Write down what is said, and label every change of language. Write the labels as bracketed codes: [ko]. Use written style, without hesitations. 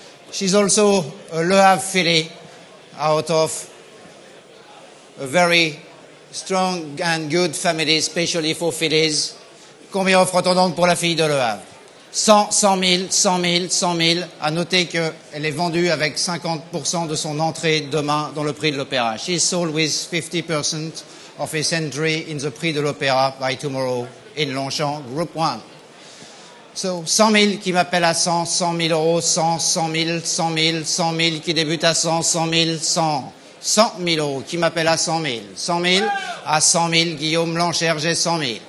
[en] She's also a Le Havre filly out of a very strong and good family, especially for fillies. [fr] Combien offre-t-on donc pour la fille de Le Havre? 100 000. À noter qu'elle est vendue avec 50% de son entrée demain dans le prix de l'opéra. [en] She's sold with 50% of his entry in the prix de l'opéra by tomorrow in Longchamp Group 1. [fr] So, 100 000 qui m'appelle à 100 000 euros, qui débute à 100 000 euros qui m'appelle à 100 000, Guillaume Blanchère, j'ai 100 000,